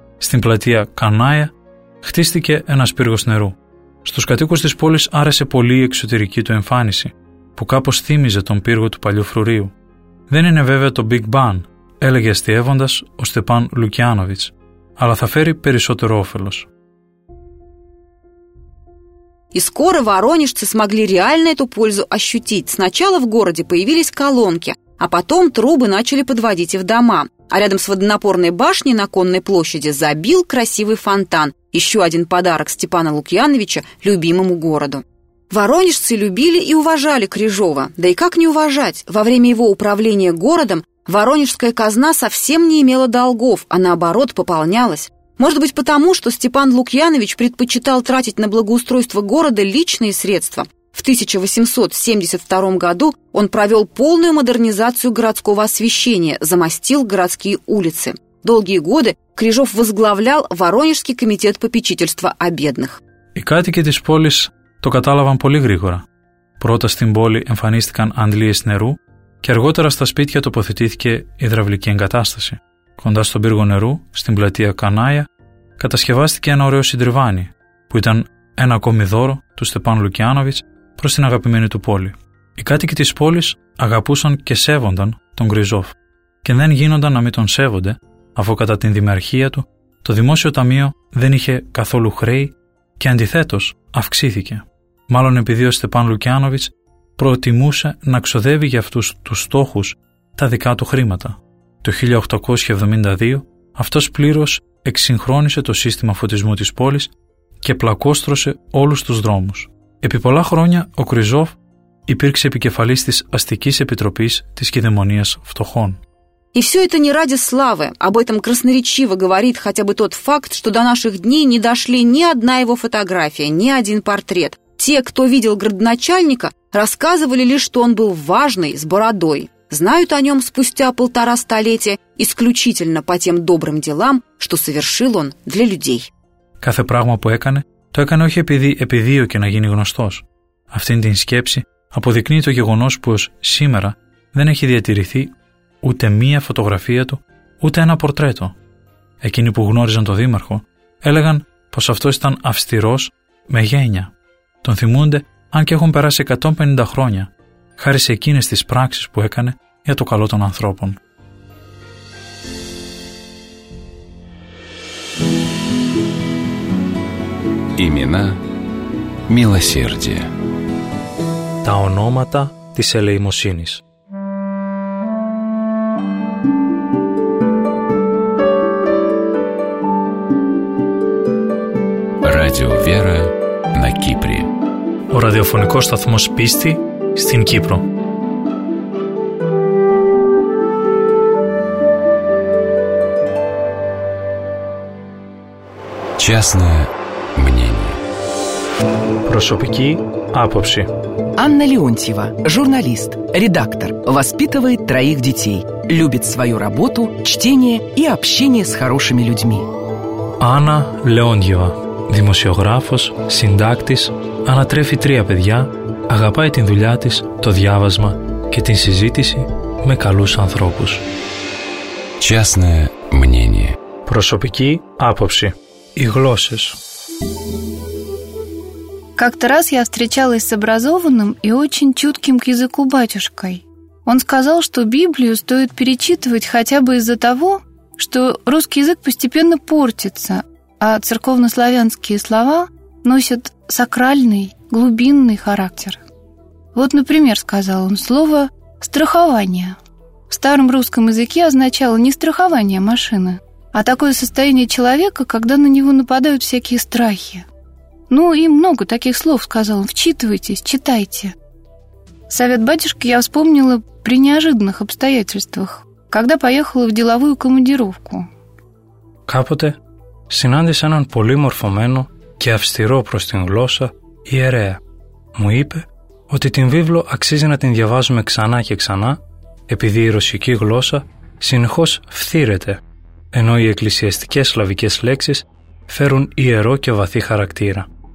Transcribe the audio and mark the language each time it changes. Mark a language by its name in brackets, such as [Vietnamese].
[Greek] Στην πλατεία Κανάια χτίστηκε ένας πύργος νερού. Στους κατοίκους της πόλης άρεσε πολύ η εξωτερική του εμφάνιση, που κάπως θύμιζε τον πύργο του παλιού φρουρίου. Δεν είναι βέβαια το Big Ben, έλεγε αστειεύοντας ο Στεπάν Λουκιάνοβιτς, αλλά θα φέρει περισσότερο όφελος. [Russian] И скоро воронежцы смогли реально эту пользу ощутить. Сначала в городе появились колонки, а потом трубы начали подводить и в дома. А рядом с водонапорной башней на Конной площади забил красивый фонтан. Еще один подарок Степана Лукьяновича любимому городу. Воронежцы любили и уважали Крижова. Да и как не уважать? Во время его управления городом воронежская казна совсем не имела долгов, а наоборот пополнялась. Может быть, потому, что Степан Лукьянович предпочитал тратить на благоустройство города личные средства. В 1872 году он провел полную модернизацию городского освещения, замостил городские улицы. Долгие годы Крижов возглавлял Воронежский комитет попечительства о бедных. [Greek] И кάτοικοι της πόλης το κατάλαβαν πολύ γρήγορα. Πρώτα στην πόλη εμφανίστηκαν αντλίες νερού και αργότερα στα σπίτια τοποθετήθηκε υδραυλική εγκατάσταση. Κοντά στον πύργο νερού, στην πλατεία Κανάια, κατασκευάστηκε ένα ωραίο συντριβάνι, που ήταν ένα ακόμη δώρο του Στεπάν Λουκιάνοβιτς προς την αγαπημένη του πόλη. Οι κάτοικοι της πόλης αγαπούσαν και σέβονταν τον Κριζόφ και δεν γίνονταν να μην τον σέβονται, αφού κατά την δημαρχία του το δημόσιο ταμείο δεν είχε καθόλου χρέη και αντιθέτως αυξήθηκε. Μάλλον επειδή ο Στεπάν Λουκιάνοβιτς προτιμούσε να ξοδεύει για αυτούς τους στόχους τα δικά του χρήματα. Το 1872 αυτός πλήρως εξυγχρόνισε το σύστημα φωτισμού της πόλης και πλακώστρωσε όλους τους δρόμους. Επί πολλά χρόνια ο Κριζόφ υπήρξε επικεφαλής της Αστικής Επιτροπής της Κηδεμονίας Φτωχών. [Russian] И все это не ради славы. Об этом красноречиво говорит хотя бы тот факт, что до наших дней не дошли ни одна его фотография, ни один портрет. Те, кто видел градоначальника, рассказывали лишь, что он был важный, с бородой. Знают о нем спустя полтора столетия исключительно по тем добрым делам, что совершил он для людей. [Greek] Κάθε πράγμα που έκανε, το έκανε όχι επειδή επιδίωκε να γίνει γνωστός. Αυτήν την σκέψη αποδεικνύει το γεγονός που ως σήμερα δεν έχει διατηρηθεί ούτε μία φωτογραφία του, ούτε ένα πορτρέτο. Εκείνοι που γνώριζαν τον δήμαρχο έλεγαν πως αυτός ήταν αυστηρός με γένεια. Τον θυμούνται αν και έχουν περάσει 150 χρόνια, χάρη σε εκείνες τις πράξεις που έκανε για το καλό των ανθρώπων. [Russian] Имена милосердия. [Greek] Τα ονόματα της ελεημοσύνης. [Russian] Radio Vera на Кипре. [Greek] Ο ραδιοφωνικός σταθμός πίστη στην Κύπρο. [Russian] Частное мнение. [Greek] Прошопки апопши. [Russian] Анна Леонтьева, журналист, редактор, воспитывает троих детей, любит свою работу, чтение и общение с хорошими людьми. [Greek] Анна Леонтьева, δημοσιογράφος, συντάκτης, ανατρέφει τρία παιδιά, αγαπάει την δουλειά της, το διάβασμα και την συζήτηση με καλούς ανθρώπους. [Russian] Частное мнение. [Greek] Προσωπική άποψη. Οι γλώσσες. [Russian] Как-то раз я встречалась с образованным и очень чутким к языку батюшкой. Он сказал, что Библию стоит перечитывать хотя бы из-за того, что русский язык постепенно портится, а церковнославянские слова носят сакральный, глубинный характер. Вот, например, сказал он, слово «страхование» в старом русском языке означало не страхование машины, а такое состояние человека, когда на него нападают всякие страхи. Ну и много таких слов, сказал он, вчитывайтесь, читайте. Совет батюшки я вспомнила при неожиданных обстоятельствах, когда поехала в деловую командировку. [Greek] Капоте συνάντησα έναν πολύ μορφωμένο και αυστηρό προς την γλώσσα ιερέα. Μου είπε ότι την βίβλο αξίζει να την διαβάζουμε ξανά και ξανά, επειδή η ρωσική γλώσσα συνεχώς φθήρεται, ενώ οι εκκλησιαστικές σλαβικές λέξεις φέρουν ιερό και βαθύ χαρακτήρα.